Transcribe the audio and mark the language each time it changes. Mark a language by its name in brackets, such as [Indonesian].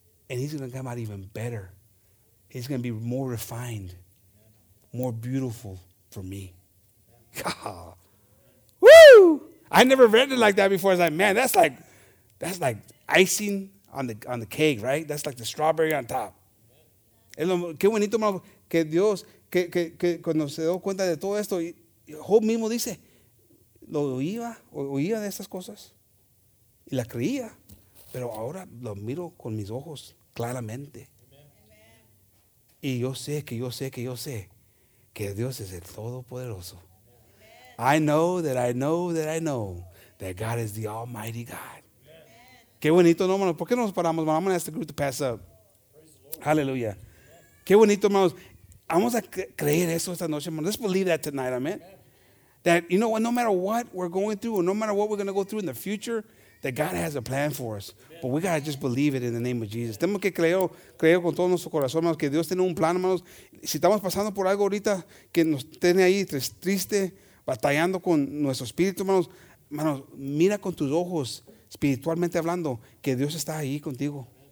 [English] And he's going to come out even better. He's going to be more refined, more beautiful for me. God. Woo! I never read it like that before. I was like, man, that's like icing on the cake, right? That's like the strawberry on top. [Spanish] Qué bonito, hermano, que Dios, que cuando se dio cuenta de todo esto, Job mismo dice, lo oía de esas cosas y la creía, pero ahora lo miro con mis ojos claramente. Y yo sé que Dios es el Todopoderoso. [English] I know that God is the Almighty God. [Spanish] Qué bonito, hermano. ¿Por qué nos paramos, hermano? [English] I'm going to ask the group to pass up. [Spanish] Hallelujah. Qué bonito, hermanos. Vamos a creer eso esta noche, hermano. [English] Let's believe that tonight, amen. That, you know what, no matter what we're going through, or no matter what we're going to go through in the future, that God has a plan for us. But we got to just believe it in the name of Jesus. [Spanish] Tenemos que creer con todo nuestro corazón, hermanos, que Dios tiene un plan, hermanos. Si estamos pasando por algo ahorita que nos tiene ahí triste, batallando con nuestro espíritu, hermanos, mira con tus ojos, espiritualmente hablando, que Dios está ahí contigo.